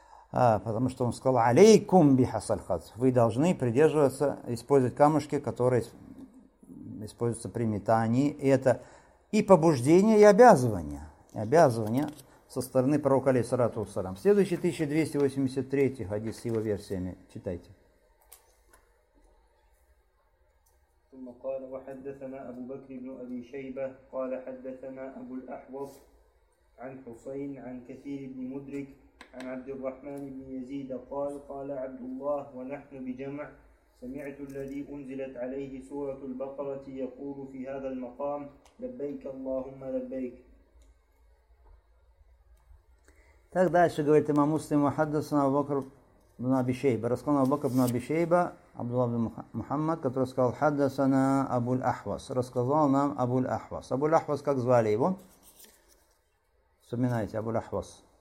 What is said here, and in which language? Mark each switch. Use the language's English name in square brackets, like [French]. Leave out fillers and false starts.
[Russian] Потому что он сказал, алейкум бихасаль хазф. Вы должны придерживаться, использовать камушки, которые используются при метании. И это и побуждение, и обязывание. И обязывание со стороны пророка алейхиссалату вассалям. Следующий 1283 хадис с его версиями. Читайте. [Arabic] قال وحدثنا أبو بكر بن أبي شيبة قال حدثنا أبو الأحوص عن حسين عن كثير بن مدرك عن عبد الرحمن بن يزيد قال قال عبد الله ونحن بجمع سمعت الذي أنزلت عليه سورة البقرة يقول في هذا المقام لبيك اللهم لبيك. [Russian] Так дальше говорит имам Муслим, хаддасана Абу Бакр ибн Аби Шейба. Рассказал Абу Бакр ибн Аби Шейба, Абдулла ибн Мухаммад, который сказал, хаддасана Абуль Ахвас. Рассказал нам Абуль Ахвас. Абуль Ахвас, как звали его? Вспоминайте, Абуль Ахвас.